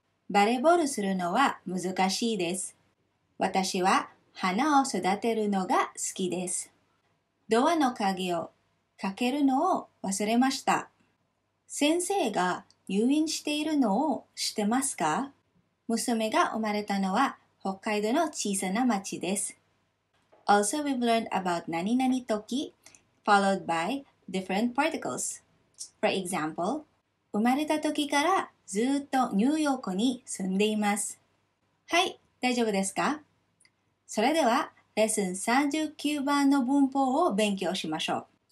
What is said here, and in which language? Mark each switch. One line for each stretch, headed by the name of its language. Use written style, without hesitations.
Japanese: バレーボールするのは難しいです。私は花を育てるのが好きです。ドアの鍵をかけるのを忘れました。先生が入院しているのを知ってますか？娘が生まれたのは北海道の小さな町です。
English: Also, we've learned about 何々時 followed by different particles. For example,
Japanese: 生まれた時からずっとニューヨークに住んでいます。はい、大丈夫ですか？それでは、レッスン39番の文法を勉強しましょう。